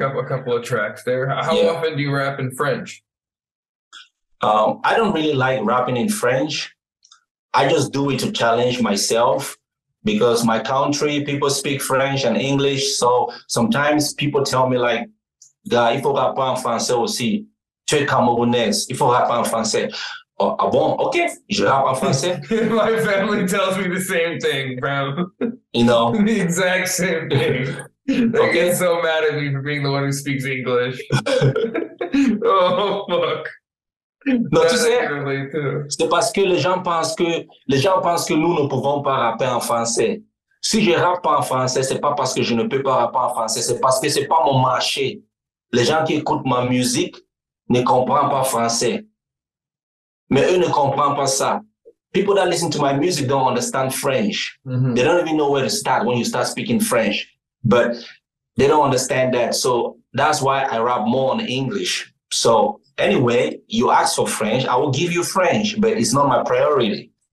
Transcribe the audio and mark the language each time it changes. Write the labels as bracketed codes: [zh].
[en] A couple of tracks there. How often do you rap in French? I don't really like rapping in French. I just do it to challenge myself because my country, people speak French and English. So sometimes people tell me like, [fr] "Gars, il faut rapper en français aussi. [en] Tu es Camerounais, il faut rapper en français." [fr] Oh, ah bon? Okay, je rappe en français. [en] My family tells me the same thing, bro. You know? The exact same thing. They get so mad at me for being the one who speaks English. Oh, fuck. [fr] Non, tu sais, c'est parce que les gens pensent que nous ne pouvons pas rapper en français. Si je rappe en français, c'est pas parce que je ne peux pas rapper en français, c'est parce que c'est pas mon marché. Les gens qui écoutent ma musique ne comprennent pas français. Mais eux ne comprennent pas ça. [en] People that listen to my music don't understand French. Mm-hmm. They don't even know where to start when you start speaking French. But they don't understand that. So that's why I rap more on English. So anyway, you ask for French, I will give you French, but it's not my priority.